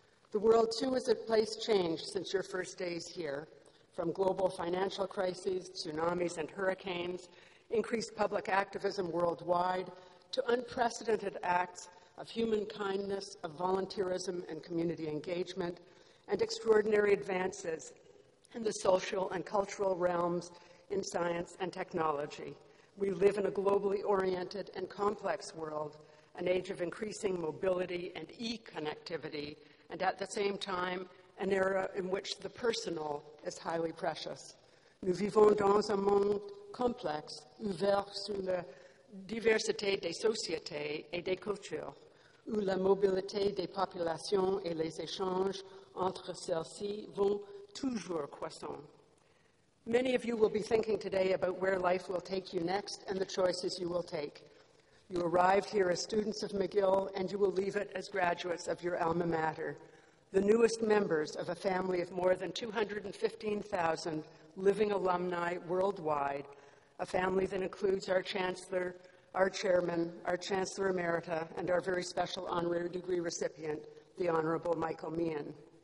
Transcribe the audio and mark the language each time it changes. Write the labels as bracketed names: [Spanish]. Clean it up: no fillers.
[English] The world, too, is a place changed since your first days here, from global financial crises, tsunamis and hurricanes, increased public activism worldwide, to unprecedented acts of human kindness, of volunteerism and community engagement, and extraordinary advances in the social and cultural realms in science and technology. We live in a globally oriented and complex world, an age of increasing mobility and e-connectivity, and at the same time, an era in which the personal is highly precious. [French] Nous vivons dans un monde complexe, ouvert sur la diversité des sociétés et des cultures, où la mobilité des populations et les échanges entre celles-ci vont toujours croissant. [English] Many of you will be thinking today about where life will take you next and the choices you will take. You arrived here as students of McGill, and you will leave it as graduates of your alma mater, the newest members of a family of more than 215,000 living alumni worldwide, a family that includes our chancellor, our chairman, our chancellor emerita, and our very special honorary degree recipient, the Honorable Michael Meehan.